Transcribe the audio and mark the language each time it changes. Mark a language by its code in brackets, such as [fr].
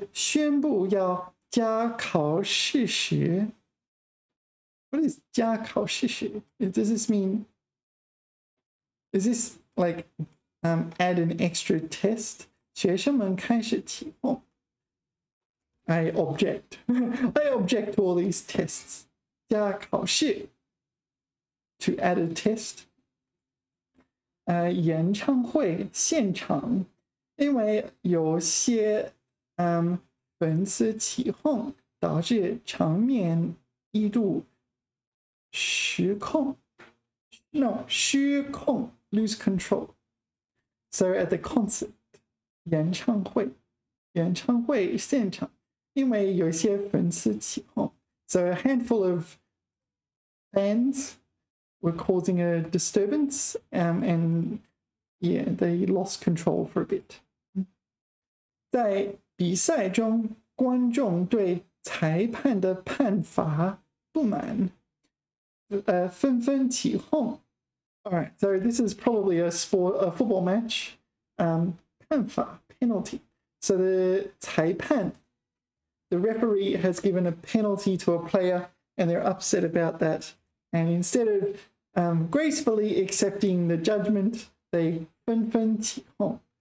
[zh] 当老师宣布要加考试时, [en] what is 加考试时? Does this mean, is this like add an extra test? [zh] 学生们开始提供. [en] I object. I object to all these tests. 加考试, to add a test. [zh] 演唱会现场, 因为有些 粉丝起哄, 导致场面一度失控. [en] No, 失控, lose control. So at the concert, 演唱会. [zh] 演唱会现场，因为有些粉丝起哄。 [en] So a handful of fans were causing a disturbance, and yeah, they lost control for a bit. [zh] 在比赛中，观众对裁判的判罚不满，纷纷起哄。 [en] Alright, so this is probably a football match. 判罚 penalty. So the 裁判 the referee has given a penalty to a player, and they're upset about that. And instead of gracefully accepting the judgment, they [zh] 纷纷起哄.